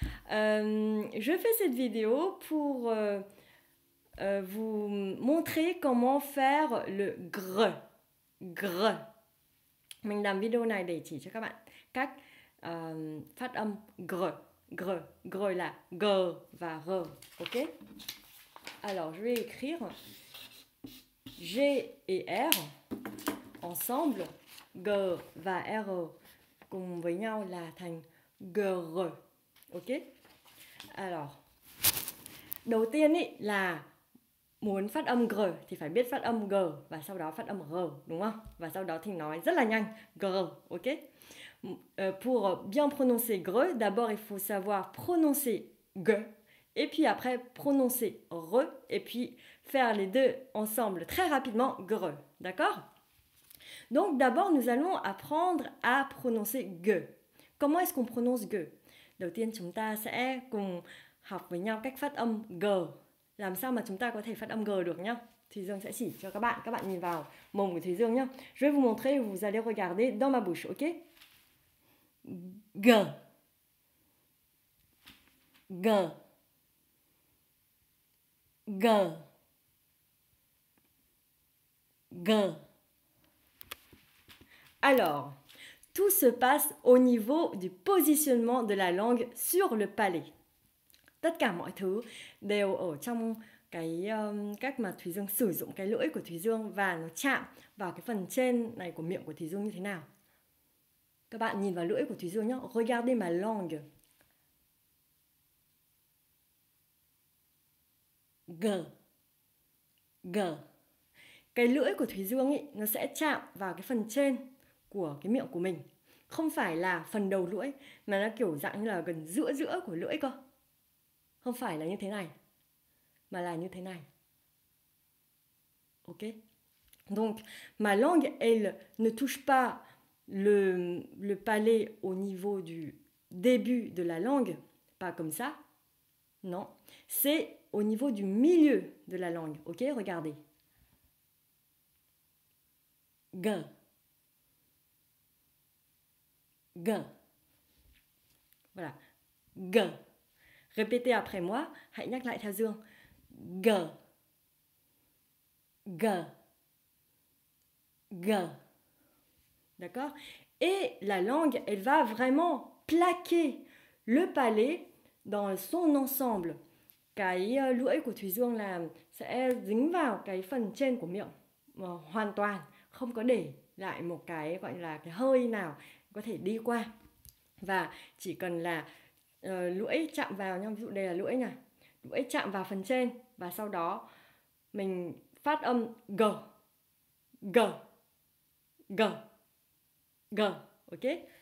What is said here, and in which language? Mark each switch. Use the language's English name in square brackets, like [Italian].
[French] Je fais cette vidéo pour vous montrer comment faire le gr. Gr. [Vietnamese] Mình làm video này để chỉ cho các bạn cách phát âm gr. [French] Gr. Gr [Vietnamese] là g và r. [French] Ok. Alors, je vais écrire. G et R ensemble, [Vietnamese] G và R cùng với nhau là thành GR. Ok? Alors, đầu tiên ý, là muốn phát âm GR thì phải biết phát âm G và sau đó phát âm R, đúng không? Và sau đó thì nói rất là nhanh, GR, ok? [French] Pour bien prononcer GR, d'abord il faut savoir prononcer G. Et puis après, prononcer re, et puis faire les deux ensemble très rapidement, gre, d'accord? Donc d'abord, nous allons apprendre à prononcer g. Comment est-ce qu'on prononce g? [Vietnamese] Đầu tiên, chúng ta sẽ cùng học với nhau cách phát âm g. Làm sao mà chúng ta có thể phát âm g được nhá? Thúy Dương sẽ chỉ cho các bạn nhìn vào mồm của Thúy Dương nhá. [French] Je vais vous montrer, vous allez regarder dans ma bouche, ok? G. G. G. G. Alors, tout se passe au niveau du positionnement de la langue sur le palais. [Vietnamese] Tất cả mọi thứ đều ở trong cái cách mà Thúy Dương sử dụng cái lưỡi của Thúy Dương và nó chạm vào cái phần trên này của miệng của Thúy Dương như thế nào. Các bạn nhìn vào lưỡi của Thúy Dương nhé. [French] Regardez ma langue. [Vietnamese] G. G. Cái lưỡi của Thúy Dương ấy, nó sẽ chạm vào cái phần trên của cái miệng của mình. Không phải là phần đầu lưỡi, mà nó kiểu dạng như là gần giữa giữa của lưỡi cơ. Không phải là như thế này, mà là như thế này. Ok. [French] Donc, ma langue, elle ne touche pas le palais au niveau du début de la langue. Pas comme ça. Non. C'est au niveau du milieu de la langue. Ok, regardez. G. Gain. Voilà. Gain. Répétez après moi. [Vietnamese] Hãy nhắc lại theo Dương. [French] Gain. Gain. Gain. D'accord? Et la langue, elle va vraiment plaquer le palais dans son ensemble. [Vietnamese] Cái lưỡi của Thùy Dương là sẽ dính vào cái phần trên của miệng hoàn toàn, không có để lại một cái gọi là cái hơi nào có thể đi qua. Và chỉ cần là lưỡi chạm vào, ví dụ đây là lưỡi này, lưỡi chạm vào phần trên và sau đó mình phát âm g, g, g, g, ok?